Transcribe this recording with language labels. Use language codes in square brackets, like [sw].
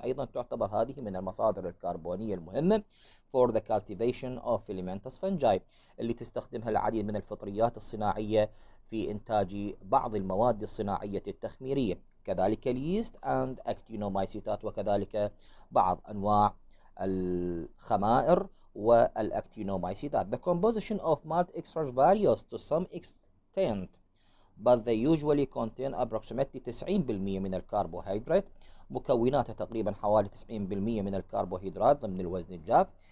[ar] أيضا تعتبر هذه من المصادر الكربونية المهمة [en] for the cultivation of filamentous fungi [ar] اللي تستخدمها العديد من الفطريات الصناعية في إنتاج بعض المواد الصناعية التخميرية، كذلك اليست and actinomycetات، وكذلك بعض أنواع الخمائر والأكتينومايسيتات. [en] The composition of malt extracts varies to some extent, but they usually contain approximately 90% [ar] من الكربوهيدرات. مكوناتها تقريبا حوالي 90% من الكربوهيدرات ضمن الوزن الجاف.